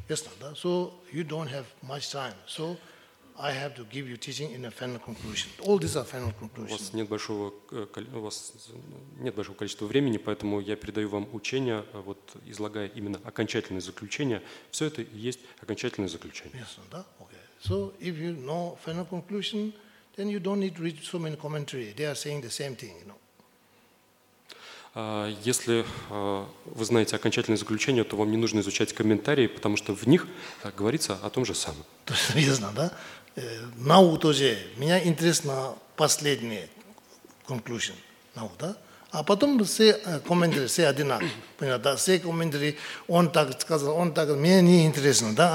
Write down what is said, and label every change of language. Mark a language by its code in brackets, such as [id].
[ru] Ясно, да? [en] So you don't have much time. So I have to give you teaching in a final conclusion. All these are final conclusions. [ru] У вас нет большого количества времени, поэтому я передаю вам учение, вот излагая именно окончательное заключение. Все это и есть окончательное заключение. Yes, да? Okay. [en] So if you know final conclusion, then you don't need to read so many commentary. They are saying the same thing, you know. [ru] Если вы знаете окончательное заключение, то вам не нужно изучать комментарии, потому что в них говорится о том же самом. То есть, ясно, да? Нау тоже. Меня интересно последнее conclusion. Нау, да? А потом все комментарии, все одинаковые. Понятно, да? Все комментарии, он так сказал, он так сказал. Мне не интересно, да?